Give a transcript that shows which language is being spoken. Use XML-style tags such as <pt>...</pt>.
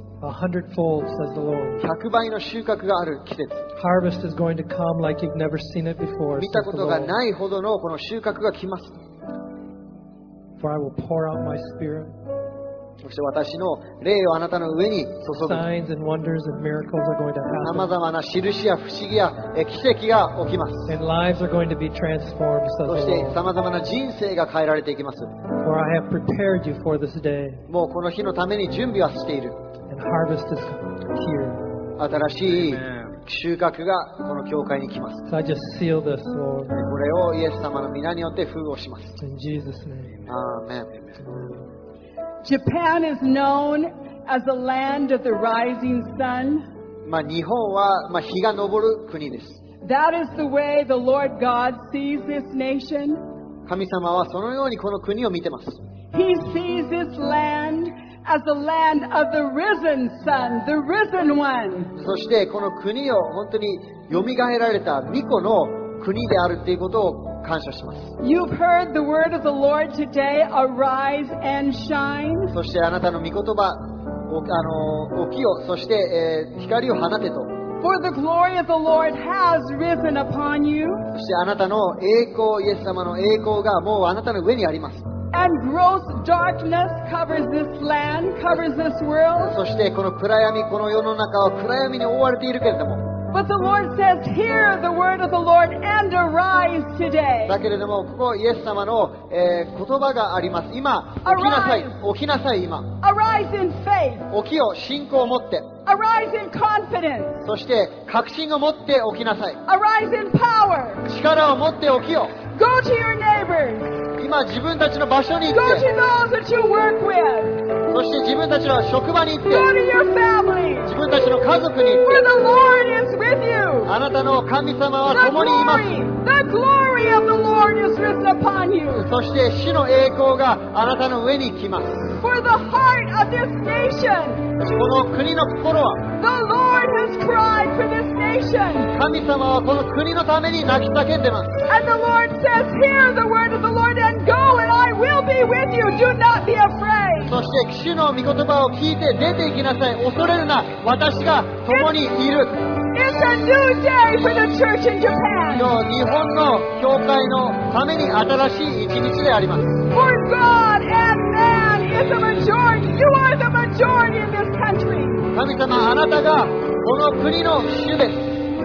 <en>100fold, says the Lord.</en> <ja>100倍の収穫がある季節。</ja> <en>Harvest is going to come like you've never seen it before.</en> <ja>見たことがないほどのこの収穫が来ます。</ja> <en>For I will pour out my spirit.</en> <ja>そして私の霊をあなたの上に注ぐ。</ja> <en>Signs and wonders and miracles are going to happen.</en> <ja>さまざまな印や不思議や奇跡が起きます。</ja> <en>And lives are going to be transformed, says the Lord.</en> <ja>そしてさまざまな人生が変えられていきます。</ja> <en>For I have prepared you for this day.</en> <ja>もうこの日のために準備はしている。</ja> <en>And harvest is here.</en> <ja>新しい収穫がこの教会に来ます。</ja> <en>So I just seal this, Lord.</en> <ja>これをイエス様の皆によって封をします。</ja> <en>In Jesus' name. Amen. Japan is known as the land of the rising sun.</en> <ja>まあ日本はまあ日が昇る国です。</ja> <en>That is the way the Lord God sees this nation.</en> <ja>神様はそのようにこの国を見てます。</ja> <en>He sees this land as the land of the risen sun, the risen one.</en> <ja>そしてこの国を本当によみがえられた御子の国であるということを感謝します。</ja> <en>You've heard the word of the Lord today, arise and shine.</en> <ja>そしてあなたの御言葉、起きよ、そして、光を放てと。</ja> <en>For the glory of the Lord has risen upon you.</en> <ja>そしてあなたの栄光、イエス様の栄光がもうあなたの上にあります。</ja> <en>And gross darkness covers this land, covers this world.</en> <ja>そしてこの暗闇、この世の中は暗闇に覆われているけれども。</ja> <en>But the Lord says, hear the word of the Lord and arise today.</en> <ja>だけれども、ここイエス様の、言葉があります。今、起きなさい。起きなさい、今。</ja> <en>Arise in faith.</en> <ja>起きよ、信仰を持って。</ja> <en>Arise in confidence.</en> <ja>そして、確信を持って起きなさい。</ja> <en>Arise in power.</en> <ja>力を持って起きよ。</ja> <en>Go to your neighbors.</en> <ja>今、自分たちの場所に行って。</ja> <en>Go to those that you work with.</en> <ja>そして自分たちの職場に行って自分たちの家族に行って。あなたの神様は共にいます。</ja> <en>The glory of the Lord is risen upon you.</en> <ja>そして主の栄光があなたの上に来ます。</ja> <en>For the heart of this nation,</en> <ja>この国の心は</ja> <en>the Lord has cried for this nation.</en> <ja>神様はこの国のために泣き叫んでます。</ja> <en>And the Lord says, hear the word of the Lord and go and I will be with you. Do not be afraid.</en> <ja>そして主の御言葉を聞いて出て行きなさい。恐れるな、私が共にいる。</ja> <en>It's It's a new day for the church in Japan.</en> <ja>日本の教会のために新しい一日であります。</ja> <en>For God and man is the majority. You are the majority in this country.</en> <ja>神様、あなたがこの国の主です。</ja>